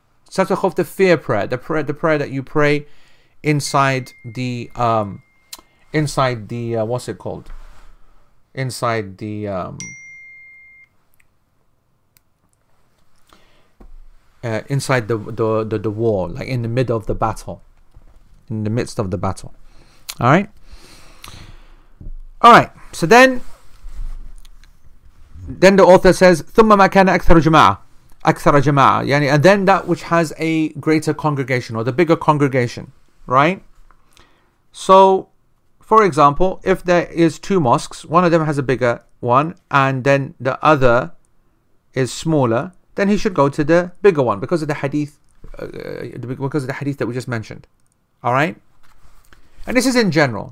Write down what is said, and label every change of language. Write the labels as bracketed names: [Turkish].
[English] Salatul Khawf, the fear prayer, the prayer that you pray inside the war, like in the middle of the battle, in the midst of the battle. All right. So then the author says, [Arabic] ثم ما كان أكثر جماعة. أكثر جماعة, يعني, [English] and then that which has a greater congregation or the bigger congregation, right? So For example, if there is two mosques, one of them has a bigger one and then the other is smaller, then he should go to the bigger one because of the hadith, that we just mentioned. All right? And this is in general.